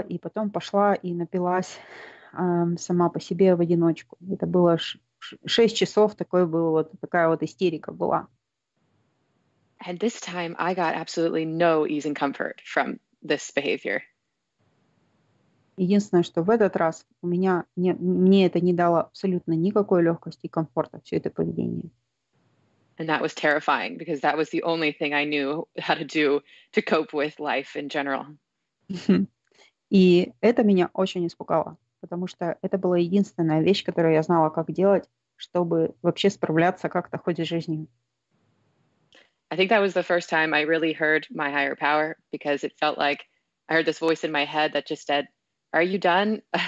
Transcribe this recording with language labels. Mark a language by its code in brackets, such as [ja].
[ru] И потом пошла и напилась сама по себе в одиночку. Это было 6 часов, такая вот истерика была. [en] And this time I got absolutely no ease and comfort from this behavior. [ru] Единственное, что в этот раз у меня мне это не дало абсолютно никакой легкости и комфорта, все это поведение. [en] And that was terrifying because that was the only thing I knew how to do to cope with life in general. [ru] И это меня очень испугало, потому что это была единственная вещь, которую я знала, как делать, чтобы вообще справляться как-то в ходе жизни. [en] I think that was the first time I really heard my higher power, because it felt like I heard this voice in my head that just said, are you done?